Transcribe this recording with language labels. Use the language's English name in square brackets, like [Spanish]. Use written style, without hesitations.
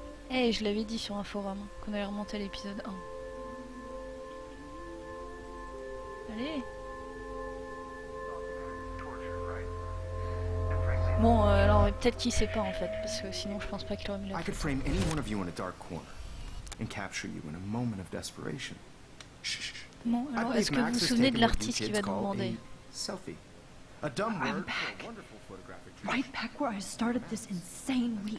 [French] Eh, hey, je l'avais dit sur un forum qu'on allait remonter à l'épisode 1. Allez! Bon, alors peut-être qu'il sait pas en fait, parce que sinon je pense pas qu'il aurait mis la. [English] I could frame any one of you in a dark corner and capture you in a moment of desperation. [French] Chut. Bon, alors est-ce que vous vous souvenez de l'artiste qui va nous demander? [English] Selfie. A dumb word. I'm back. Right back where I started this insane week.